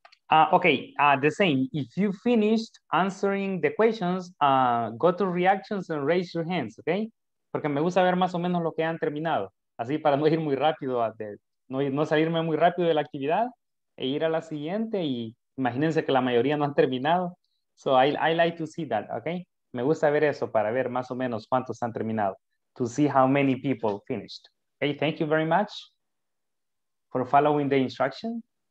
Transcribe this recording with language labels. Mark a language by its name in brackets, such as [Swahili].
[English] The same. If you finished answering the questions, go to reactions and raise your hands, okay? [Spanish] Porque me gusta ver más o menos lo que han terminado. Así para no ir muy rápido, no salirme muy rápido de la actividad e ir a la siguiente. Y imagínense que la mayoría no han terminado. [English] So I like to see that, okay? [Spanish] Me gusta ver eso para ver más o menos cuántos han terminado. [English] To see how many people finished. Okay, thank you very much for following the instruction.